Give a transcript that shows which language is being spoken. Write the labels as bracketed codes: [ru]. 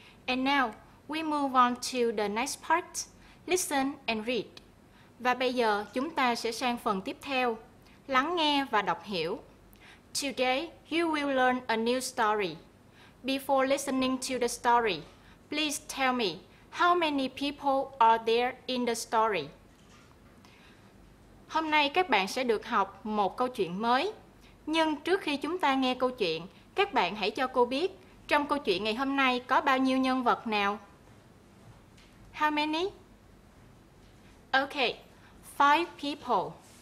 [en] And now, we move on to the next part. Listen and read. [vi] Và bây giờ, chúng ta sẽ sang phần tiếp theo. Lắng nghe và đọc hiểu. [en] Today, you will learn a new story. Before listening to the story, please tell me, how many people are there in the story? [vi] Hôm nay các bạn sẽ được học một câu chuyện mới. Nhưng trước khi chúng ta nghe câu chuyện, các bạn hãy cho cô biết trong câu chuyện ngày hôm nay có bao nhiêu nhân vật nào? [en] How many? Okay, 5 people.